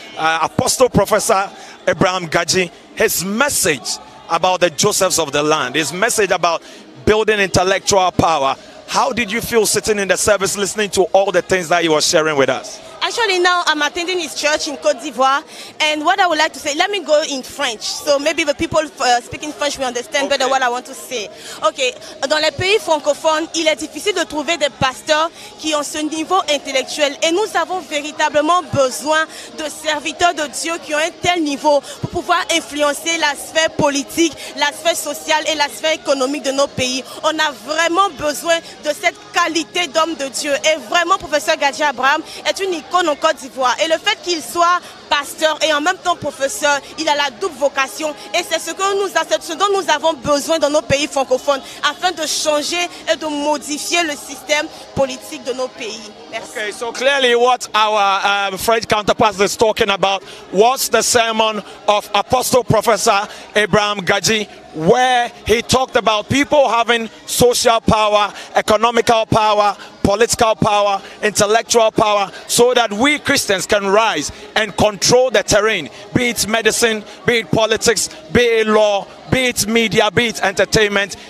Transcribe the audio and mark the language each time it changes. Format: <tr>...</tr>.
<en>Apostle Professor Abraham Gaji, his message about the Josephs of the land, his message about building intellectual power. How did you feel sitting in the service listening to all the things that you were sharing with us? Actually, now I'm attending his church in Côte d'Ivoire. And what I would like to say, let me go in French. So maybe the people speaking French will understand better what I want to say.</en> <fr>Okay, dans les pays francophones, il est difficile de trouver des pasteurs qui ont ce niveau intellectuel. Et nous avons véritablement besoin de serviteurs de Dieu qui ont un tel niveau pour pouvoir influencer la sphère politique, la sphère sociale et la sphère économique de nos pays. On a vraiment besoin de cette qualité d'homme de Dieu. Et vraiment, professeur Gaji Abraham est une icône en Côte d'Ivoire. Et le fait qu'il soit pasteur et en même temps professeur, il a la double vocation. Et c'est ce que nous, ce dont nous avons besoin dans nos pays francophones afin de changer et de modifier le système politique de nos pays. Merci.</fr> <en>Okay, so clearly what our French counterpart is talking about was the sermon of Apostle Professor Abraham Gaji, where he talked about people having social power, economical power, political power, intellectual power, so that we Christians can rise and control the terrain, be it medicine, be it politics, be it law, be it media, be it entertainment.</en>